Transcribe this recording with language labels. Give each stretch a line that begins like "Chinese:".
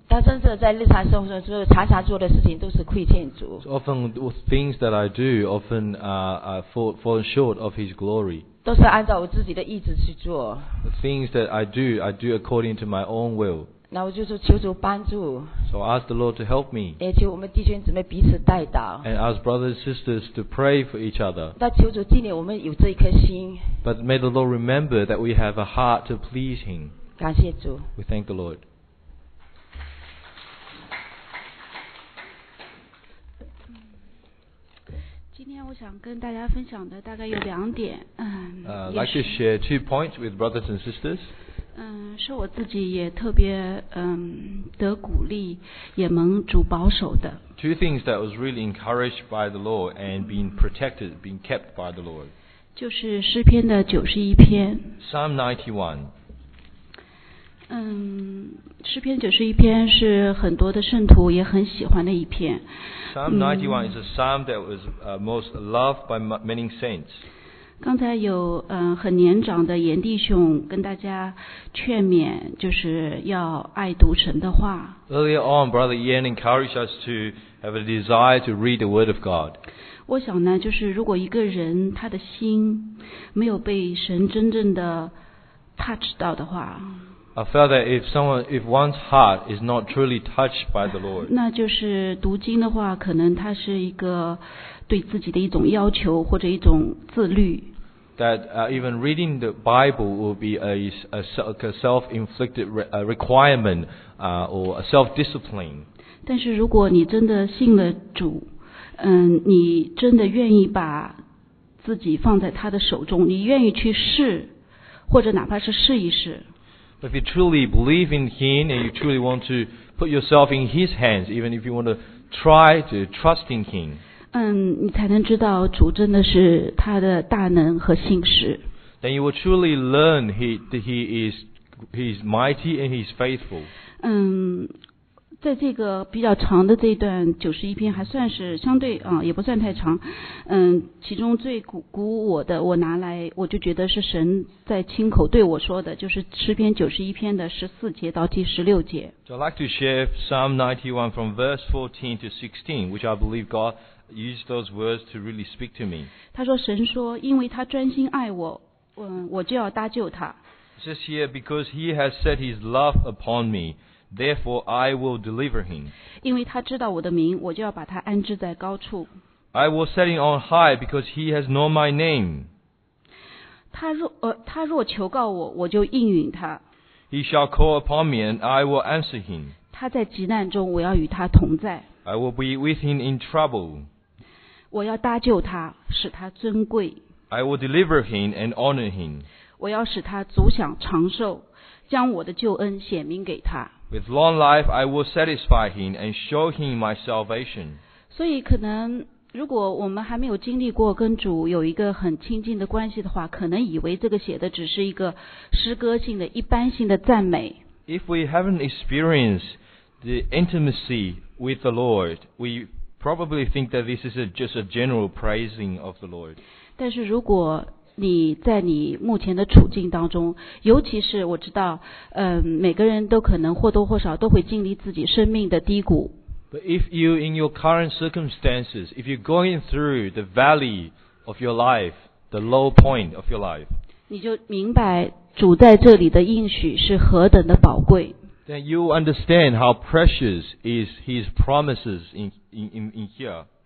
Chinese: 但真正在日常生活中，就是常常做的事情都是亏欠主。
English: So、often things that I do often fall short of His glory.
Chinese: 都是按照我自己的意志去做。
English: The things that I do according to my own will.
Chinese: 那我就是求主帮助。
English: So I ask the Lord to help me.
Chinese: 也求我们弟兄姊妹彼此代祷。
English: And ask brothers and sisters to pray for each other.
Chinese: 那求主纪念我们有这一颗心。
English: But may the Lord remember that we have a heart to please Him.
Chinese: 感谢主。
English: We thank the Lord.
Chinese: 今天我想跟大家分享的大概有两点。
English: Like to share two points with brothers and sisters.
Chinese: 是我自己也特别得鼓励，也蒙主保守的。
English: Two things that was really encouraged by the Lord and being protected, being kept by the Lord.
Chinese: 就是诗篇的91篇。
English: Psalm 91.
Chinese: 诗篇九十一篇是很多的圣徒也很喜欢的一篇。
English: Psalm 91 is a psalm that was most loved by many saints.
Chinese: 刚才有很年长的炎弟兄跟大家劝勉，就是要爱读神的话。
English: Earlier on, Brother Ian encouraged us to have a desire to read the Word of God.
Chinese: 我想呢，就是如果一个人他的心没有被神真正的 touch 到的话。
English: I felt that if one's heart is not truly touched by the Lord,
Chinese: 那就是读经的话，可能它是一个对自己的一种要求或者一种自律。
English: That even reading the Bible will be a self-inflicted requirement or a self-discipline.
Chinese: 但是如果你真的信了主，你真的愿意把自己放在他的手中，你愿意去试，或者哪怕是试一试。
English: If you truly believe in Him and you truly want to put yourself in His hands, even if you want to try to trust in Him,
Chinese: 你才能知道主真的是他的大能和信实。
English: Then you will truly learn He is mighty and He is faithful.
Chinese: 在这个比较长的这一段九十一篇还算是相对也不算太长。其中最鼓我的，我拿来我就觉得是神在亲口对我说的，就是诗篇九十一篇的十四节到第十六节。
English: So I'd like to share Psalm 91 from verse 14 to 16, which I believe God used those words to really speak to me.
Chinese: 他说神说，因为他专心爱我，我就要搭救他。
English: It says here, because he has set his love upon me. Therefore, I will deliver him.
Chinese: 因为他知道我的名，我就要把他安置在高处。
English: I will set him on high because he has known my name.
Chinese: 他若求告我，我就应允他。
English: He shall call upon me and I will answer him.
Chinese: 他在急难中，我要与他同在。
English: I will be with him in trouble.
Chinese: 我要搭救他，使他尊贵。
English: I will deliver him and honor him.
Chinese: 我要使他足享长寿，将我的救恩显明给他。
English: With long life, I will satisfy him and show him my salvation.
Chinese: 所以可能如果我们还没有经历过跟主有一个很亲近的关系的话，可能以为这个写的只是一个诗歌性的、一般性的赞美。
English: If we haven't experienced the intimacy with the Lord, we probably think that this is just a general praising of the Lord.
Chinese: 但是如果你在你目前的处境当中，尤其是我知道，每个人都可能或多或少都会经历自己生命的低谷。
English: But if you in your current circumstances, if you're going through the valley of your life, the low point of your life,
Chinese: 你就明白主在这里的应许是何等的宝贵。
English: Then you understand how precious is His promises in here.